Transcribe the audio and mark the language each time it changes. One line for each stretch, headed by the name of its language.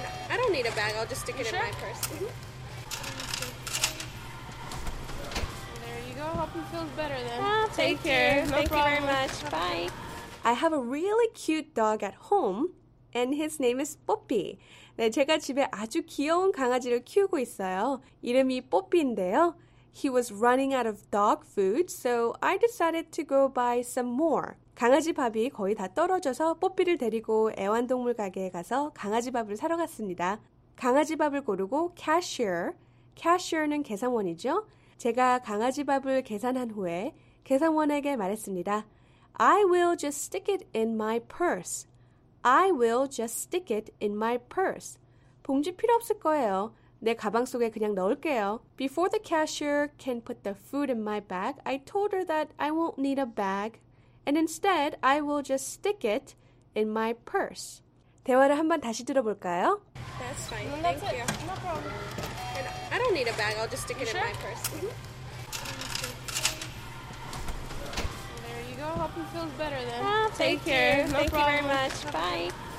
English: I don't need a bag. I'll just stick it in my purse. Mm-hmm. There you go. Hope you feel better then. Ah, thank Take care. You. No thank problem. You very much. Bye. I have a really cute dog at home, and his name is Poppy.
Korean: 네, 제가 집에 아주 귀여운 강아지를 키우고 있어요. 이름이 뽀삐인데요.
English: He was running out of dog food, so I decided to go buy some more.
Korean: 강아지 밥이 거의 다 떨어져서 뽀삐를 데리고 애완동물 가게에 가서 강아지 밥을 사러 갔습니다. 강아지 밥을 고르고 cashier, cashier는 계산원이죠. 제가 강아지 밥을 계산한 후에 계산원에게 말했습니다.
English: I will just stick it in my purse. I will just stick it in my purse.
Korean: 봉지 필요 없을 거예요. 내 가방 속에 그냥 넣을게요.
English: Before the cashier can put the food in my bag, I told her that I won't need a bag. And instead, I will just stick it in my purse.
Korean: 대화를 한번 다시 들어볼까요?
English: That's fine. Thank you. No problem. I don't need a bag. I'll just stick it in my purse. There you go. Hope you feel better then. Take care. No problem. Thank you very much. Bye.